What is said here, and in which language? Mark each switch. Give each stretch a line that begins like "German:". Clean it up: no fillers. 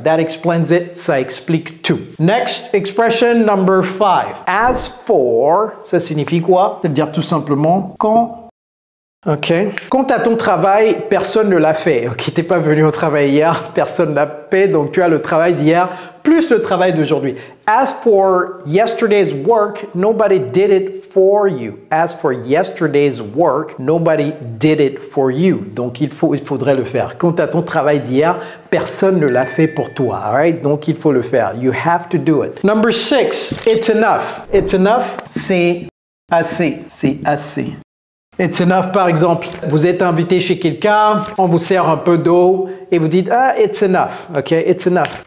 English: That explains it.
French: Ça explique tout.
English: Next expression, number five.
French: As for, ça signifie quoi? C'est-à-dire tout simplement, quand. OK. Quant à ton travail, personne ne l'a fait. OK, t'es pas venu au travail hier, personne ne l'a fait. Donc, tu as le travail d'hier plus le travail d'aujourd'hui.
English: As for yesterday's work, nobody did it for you. As for yesterday's work, nobody did it for you.
French: Donc, il faudrait le faire. Quant à ton travail d'hier, personne ne l'a fait pour toi.
English: All right?
French: Donc, il faut le faire.
English: You have to do it. Number six, it's enough. It's enough,
French: c'est assez. C'est assez.
English: It's enough,
French: par exemple. Vous êtes invité chez quelqu'un, on vous sert un peu d'eau et vous dites, ah,
English: it's enough, ok, it's enough.